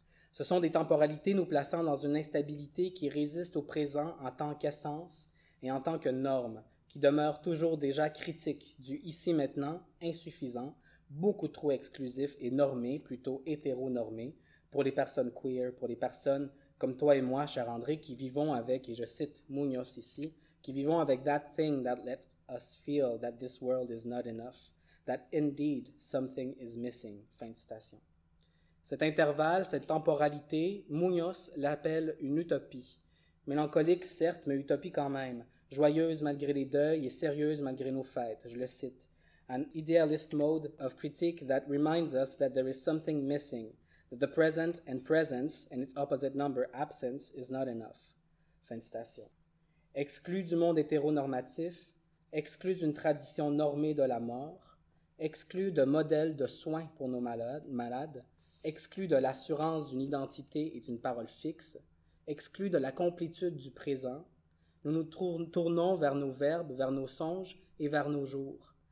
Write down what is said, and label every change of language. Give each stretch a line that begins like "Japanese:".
French: Ce sont des temporalités nous plaçant dans une instabilité qui résiste au présent en tant qu'essence et en tant que norme, qui demeure toujours déjà critique du ici-maintenant insuffisant, beaucoup trop exclusif et normé, plutôt hétéronormé, pour les personnes queer, pour les personnes comme toi et moi, cher André, qui vivons avec, et je cite Munoz ici, qui vivons avec «
English: that thing that lets us feel that this world is not enough, that indeed something is missing
French: », fin de citation. Cet intervalle, cette temporalité, Munoz l'appelle une utopie. Mélancolique, certes, mais utopie quand même. Joyeuse malgré les deuils et sérieuse malgré nos fêtes, je le cite.
English: An idealist mode of critique that reminds us that there is something missing, that the present and presence and its opposite number, absence, is not enough.
French: Fin de citation. Exclu du monde hétéronormatif, exclu d'une tradition normée de la mort, exclu de modèles de soins pour nos malades, exclu de l'assurance d'une identité et d'une parole fixe, exclu de la complétude du présent, nous nous tournons vers nos verbes, vers nos songes et vers nos jours.